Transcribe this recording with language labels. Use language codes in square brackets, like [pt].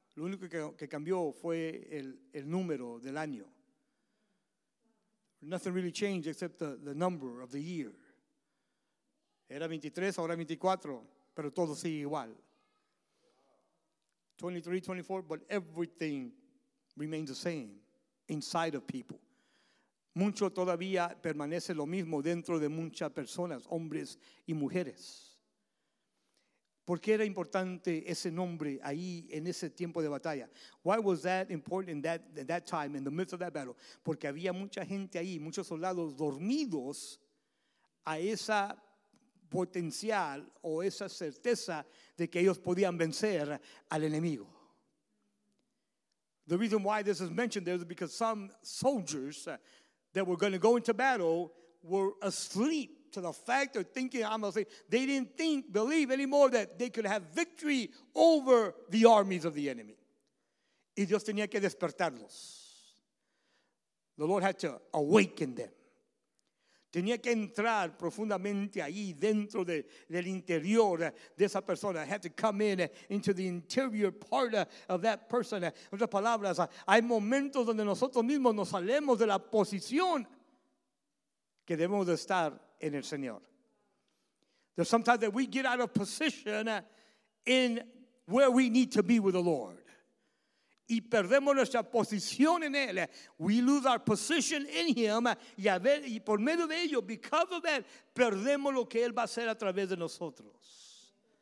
[es] Lo único que cambió fue el número del año. [en] Nothing really changed except the number of the year. [es] Era 23, ahora 24, pero todo sigue igual. [en] 23, 24, but everything remains the same inside of people. [es] Mucho todavía permanece lo mismo dentro de muchas personas, hombres y mujeres. ¿Por qué era importante ese nombre ahí en ese tiempo de batalla? [en] Why was that important in that time, in the midst of that battle? [es] Porque había mucha gente ahí, muchos soldados dormidos a esa potencial o esa certeza de que ellos podían vencer al enemigo. [en] The reason why this is mentioned there is because some soldiers that were going to go into battle were asleep to the fact of thinking, I'm going to say, they didn't think, believe anymore that they could have victory over the armies of the enemy. [es] Y Dios tenía que despertarlos. [en] The Lord had to awaken them. [es] Tenía que entrar profundamente ahí dentro del interior de esa persona. [en] I had to come in into the interior part of that person. [es] En otras palabras, hay momentos donde nosotros mismos nos salemos de la posición que debemos de estar en el Señor. [en] There's sometimes that we get out of position in where we need to be with the Lord. [es] Y perdemos nuestra posición en Él. [en] We lose our position in Him. [es] Y por medio de ello, [en] because of that, [es] perdemos lo que Él va a hacer a través de nosotros.